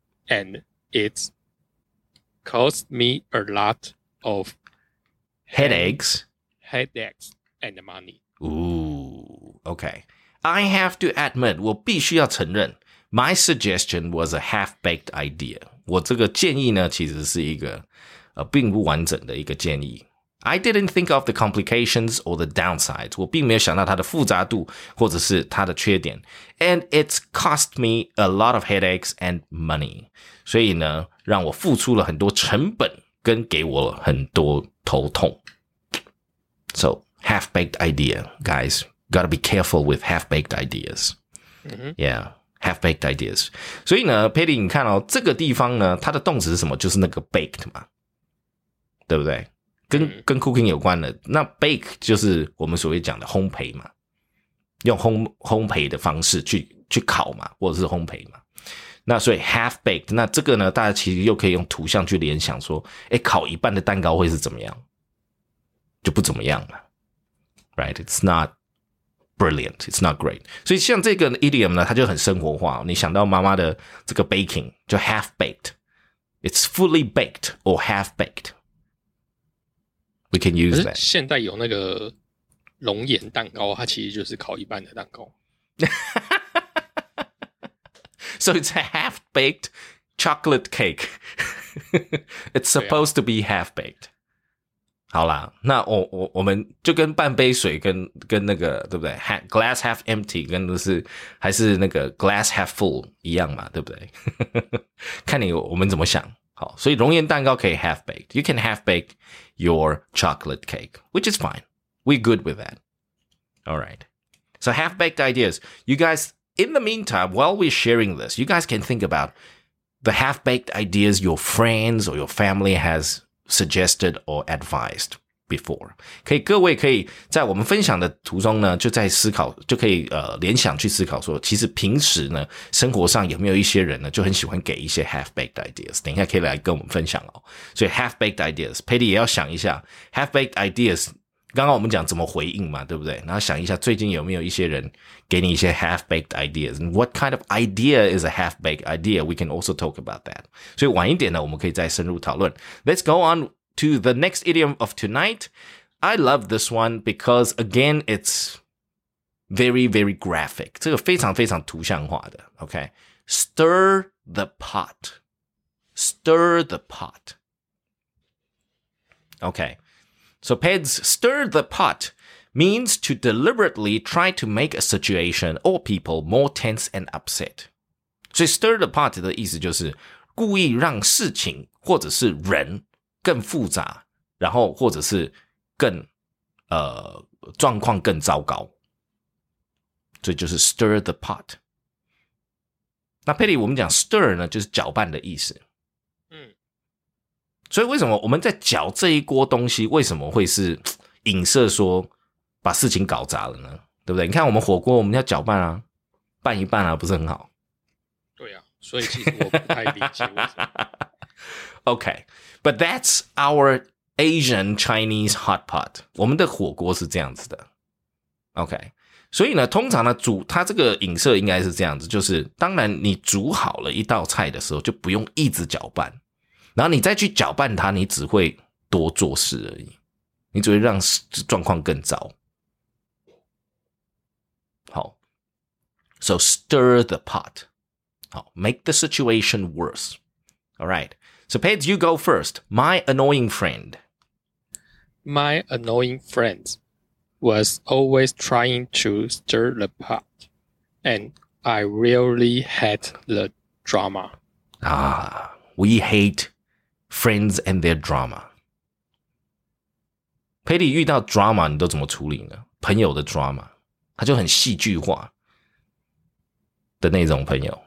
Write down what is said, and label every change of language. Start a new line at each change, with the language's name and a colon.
English: and it caused me a lot of headaches and money. Ooh, okay. I have to admit,
Chinese: 我必须要承认
English: my suggestion was a half-baked idea.
Chinese: 我这个建议呢，其实是一个并不完整的一个建议。
English: I didn't think of the complications or the downsides.
Chinese: 我并没有想到它的复杂度或者是它的缺点。
English: And it's cost me a lot of headaches and money.
Chinese: 所以呢，让我付出了很多成本跟给我了很多头痛。
English: So, half-baked idea, guys. Gotta be careful with half-baked ideas. Yeah, half-baked ideas.
Chinese: 所以呢 ,Patty, 你看哦，这个地方呢，它的动词是什么？就是那个 baked 嘛。对不对？跟 cooking 有关的，那 bake 就是我们所谓讲的烘焙嘛，用烘焙的方式去烤嘛，或者是烘焙嘛。那所以 half baked， 那这个呢，大家其实又可以用图像去联想说，欸，烤一半的蛋糕会是怎么样？就不怎么样了，
English: right？ It's not brilliant， it's not great。
Chinese: 所以像这个 idiom 呢，它就很生活化，哦。你想到妈妈的这个 baking 就 half baked，
English: it's fully baked or half baked。 We can use that.
Chinese: 现在有那个熔岩蛋糕，它其实就是烤一半的蛋糕。
English: So it's a half-baked chocolate cake. It's supposed to be half-baked.
Chinese: 好啦，那我们就跟半杯水跟那个对不对 ？
English: Glass half empty
Chinese: 跟就是还是那个
English: glass half full
Chinese: 一样嘛，对不对？看你我们怎么想。好，所以熔岩蛋糕可以 half-baked.
English: You can half-bake your chocolate cake, which is fine. We're good with that. All right. So half-baked ideas. You guys, in the meantime, while we're sharing this, you guys can think about the half-baked ideas your friends or your family has suggested or advised. before.
Chinese: 可以，各位可以在我们分享的途中呢，就在思考，就可以联想去思考说，其实平时呢，生活上有没有一些人呢，就很喜欢给一些 half-baked ideas， 等一下可以来跟我们分享哦。所以 half-baked ideas， 佩蒂也要想一下 half-baked ideas， 刚刚我们讲怎么回应嘛，对不对？然后想一下最近有没有一些人给你一些 half-baked ideas，
English: and what kind of idea is a half-baked idea? We can also talk about that.
Chinese: 所以晚一点呢，我们可以再深入讨论。
English: Let's go on. To the next idiom of tonight, I love this one because, again, it's very, very graphic.
Chinese: 这个非常非常图像化的 okay?
English: Stir the pot. Stir the pot. Okay. So, Peds, stir the pot means to deliberately try to make a situation or people more tense and upset.
Chinese: 所以 stir the pot 的意思就是故意让事情或者是人更复杂，然后或者是更状况更糟糕，所以就是 stir the pot。那佩里我们讲 stir 呢就是搅拌的意思，所以为什么我们在搅这一锅东西，为什么会是影射说把事情搞砸了呢？对不对？你看我们火锅我们要搅拌啊，拌一拌啊，不是很好？对啊，所以其实我不太理解为什么。
English: OK，But that's our Asian Chinese hot pot.
Chinese: 我们的火锅是这样子的。
English: OK.
Chinese: 所以呢通常呢煮它这个影射应该是这样子，就是当然你煮好了一道菜的时候就不用一直搅拌。然后你再去搅拌它，你只会多做事而已。你只会让状况更糟。
English: 好。So stir the pot. 好， make the situation worse. Alright. So, Peds, you go first. My annoying friend. My annoying friend was always trying to stir the pot, and I really hate the drama. Ah, we hate friends and their drama.
Chinese: Peds, 遇到 drama 你都怎么处理呢？朋友的 drama， 他就很戏剧化的那种朋友。